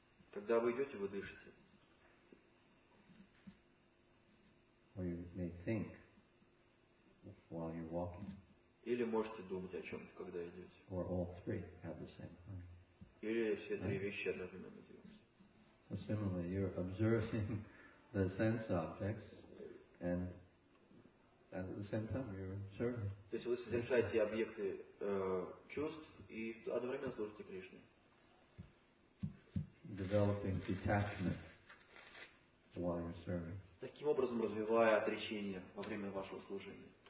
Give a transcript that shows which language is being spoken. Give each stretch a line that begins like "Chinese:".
Russian: Когда вы идете, вы дышите.
English: Or you may think while you're walking.
Russian: Или можете думать о чем-то, когда идете.
English: Or all three have the same time.
Russian: Или все три вещи одновременно делаются.
English: So similarly, you're observing the sense objects and at the same time you're serving.
Russian: То есть вы созерцаете объекты чувств и одновременно служите Кришне.
English: Developing detachment while you're serving.
Russian: Таким образом развивая отречение во время вашего служения.